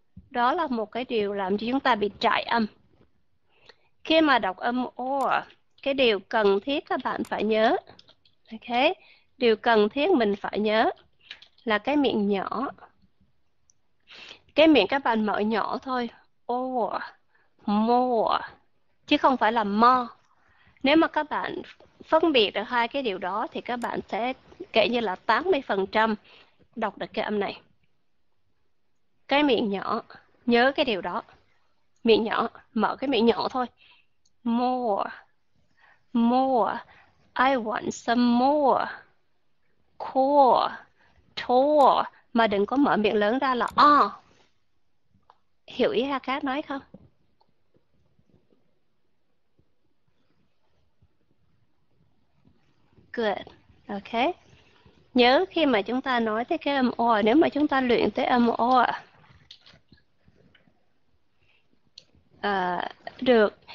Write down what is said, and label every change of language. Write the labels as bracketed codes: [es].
[vi] Đó là một cái điều làm cho chúng ta bị trại âm. Khi mà đọc âm o, cái điều cần thiết các bạn phải nhớ, ok, điều cần thiết mình phải nhớ là cái miệng nhỏ, cái miệng các bạn mở nhỏ thôi, o, more, chứ không phải là mo. Nếu mà các bạn phân biệt được hai cái điều đó thì các bạn sẽ kể như là 80% đọc được cái âm này. Cái miệng nhỏ, nhớ cái điều đó. Miệng nhỏ, mở cái miệng nhỏ thôi. [en] More, more, I want some more. [vi] Core, tall, mà đừng có mở miệng lớn ra là o. Hiểu ý Hà Cát nói không? Good, ok. Nhớ khi mà chúng ta nói tới cái âm o, nếu mà chúng ta luyện tới âm o, được.